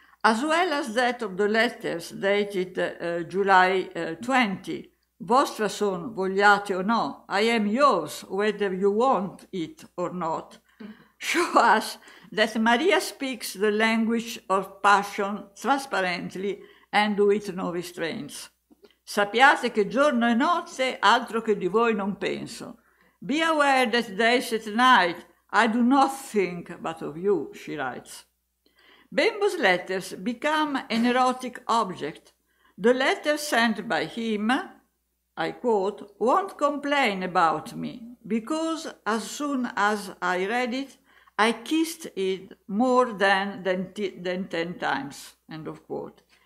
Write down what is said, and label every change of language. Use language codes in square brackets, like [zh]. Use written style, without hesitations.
[en] as well as that of the letters dated July 20, [it] vostra son vogliate o no, [en] I am yours, whether you want it or not, show us that Maria speaks the language of passion transparently and with no restraints. [it] Sappiate che giorno e notte altro che di voi non penso. [en] Be aware that days at night I do not think but of you, she writes. Bembo's letters become an erotic object. The letters sent by him, I quote, won't complain about me, because as soon as I read it, I kissed it more than 10 times, end of quote.